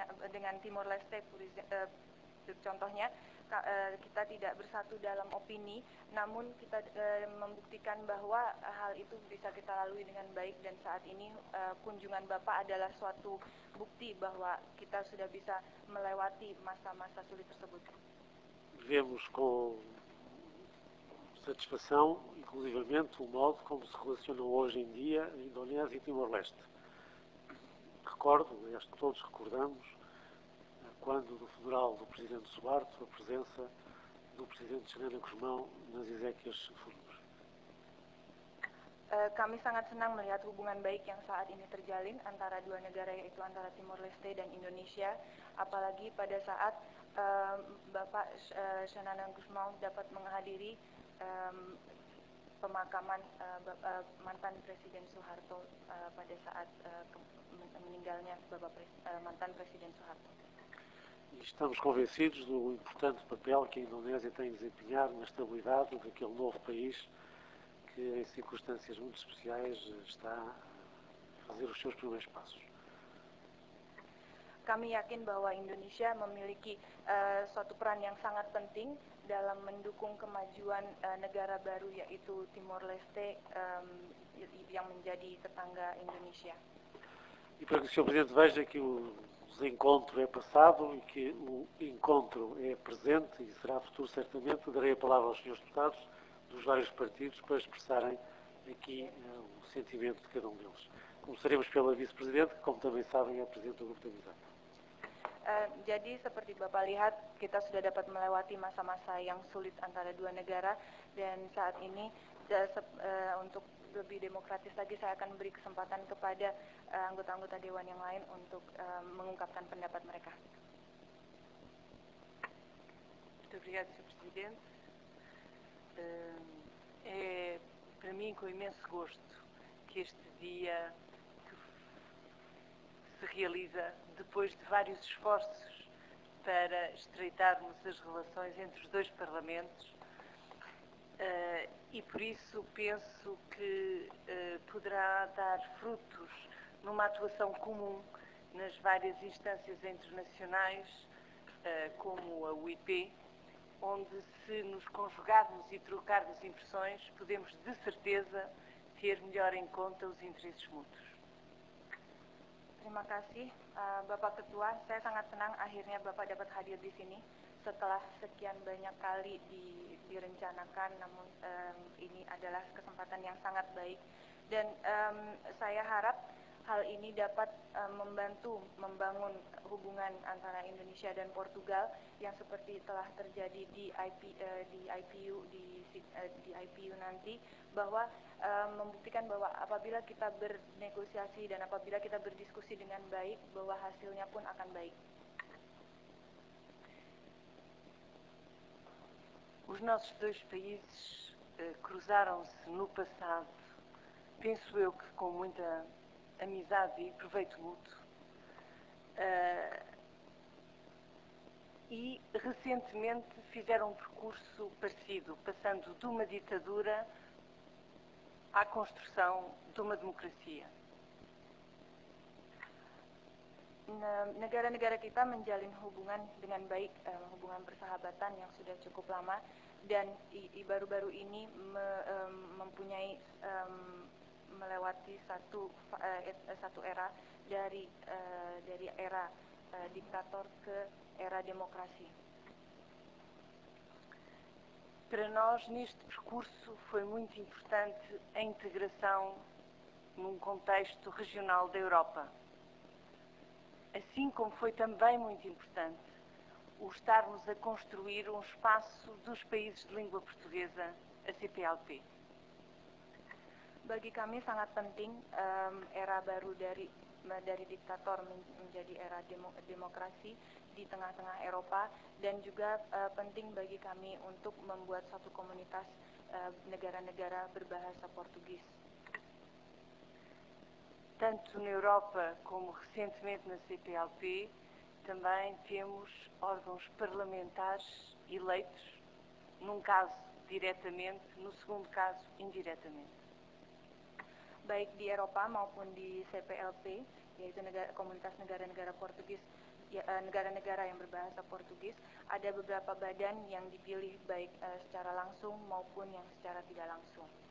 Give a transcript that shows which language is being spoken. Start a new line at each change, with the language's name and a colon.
Indonesian: dengan Timor-Leste, contohnya, kita tidak bersatu dalam opini, namun kita membuktikan bahwa hal itu bisa kita lalui dengan baik, dan saat ini kunjungan Bapak adalah suatu bukti bahwa kita sudah bisa melewati masa-masa sulit tersebut.
Portuguese: Vemos com satisfação, inclusivamente, o modo como se relacionam hoje em dia Indonésia e Timor-Leste. Recordo, acho que todos recordamos, quando do funeral do Presidente Suharto, a presença do Presidente Xanana Gusmão nas exéquias fúnebres.
Indonesian: Kami sangat senang melihat hubungan baik yang saat ini terjalin antara dua negara, yaitu antara Timor-Leste dan Indonesia, apalagi pada saat Bapak Xanana Gusmão dapat menghadiri pemakaman mantan Presiden Suharto pada saat meninggalnya Bapak mantan Presiden Soeharto.
Portuguese: Estamos convencidos do importante papel que a Indonésia tem de desempenhar na estabilidade daquele novo país que, em circunstâncias muito especiais, está a fazer os seus primeiros passos.
Indonesian: Kami yakin bahwa Indonesia memiliki suatu peran yang sangat penting dalam mendukung kemajuan negara baru yaitu Timor Leste yang menjadi tetangga Indonesia.
Portuguese: E para que o Sr. Presidente veja que o desencontro é passado e que o encontro é presente e será futuro certamente, darei a palavra aos senhores deputados dos vários partidos para expressarem aqui o sentimento de cada um deles. Começaremos pela vice-presidente, que como também sabem é presidente do Grupo de Amizade.
Indonesian: Jadi seperti Bapak lihat, kita sudah dapat melewati masa-masa yang sulit antara dua negara dan saat ini untuk lebih demokratis lagi saya akan beri kesempatan kepada anggota-anggota dewan yang lain untuk mengungkapkan pendapat mereka.
Portuguese: Obrigada, Sr. Presidente. É para mim com imenso gosto que este dia se realiza depois de vários esforços para estreitarmos as relações entre os dois parlamentos. E por isso penso que poderá dar frutos numa atuação comum nas várias instâncias internacionais, como a UIP, onde se nos conjugarmos e trocarmos impressões, podemos de certeza ter melhor em conta os interesses mútuos.
Indonesian: Terima kasih, Bapak Ketua. Saya sangat senang akhirnya Bapak dapat hadir di sini. Setelah sekian banyak kali direncanakan, namun ini adalah kesempatan yang sangat baik. Dan saya harap hal ini dapat membantu membangun hubungan antara Indonesia dan Portugal yang seperti telah terjadi di IPU nanti, bahwa membuktikan bahwa apabila kita bernegosiasi dan apabila kita berdiskusi dengan baik, bahwa hasilnya pun akan baik.
Portuguese: Os nossos dois países cruzaram-se no passado, penso eu que com muita amizade e proveito mútuo. E recentemente fizeram um percurso parecido, passando de uma ditadura à construção de uma democracia.
Indonesian: Negara-negara kita menjalin hubungan dengan baik, hubungan persahabatan yang sudah cukup lama, dan baru-baru ini mempunyai melewati satu era dari era diktator ke era demokrasi.
Portuguese: Para nós neste percurso foi muito importante a integração num contexto regional da Europa. Assim como foi também muito importante o estarmos a construir um espaço dos países de língua portuguesa, a CPLP.
Indonesian: Bagi kami sangat penting era baru dari diktator menjadi era demokrasi di tengah-tengah Eropa dan juga penting bagi kami untuk membuat satu komunitas negara-negara berbahasa Portugis.
Portuguese: Tanto na Europa como recentemente na CPLP, também temos órgãos parlamentares eleitos, num caso diretamente, no segundo caso indiretamente.
Indonesian: Baik di Eropa maupun di CPLP, yaitu komunitas negara-negara Portugis, negara-negara yang berbahasa Portugis, ada beberapa badan yang dipilih baik secara langsung maupun yang secara tidak langsung.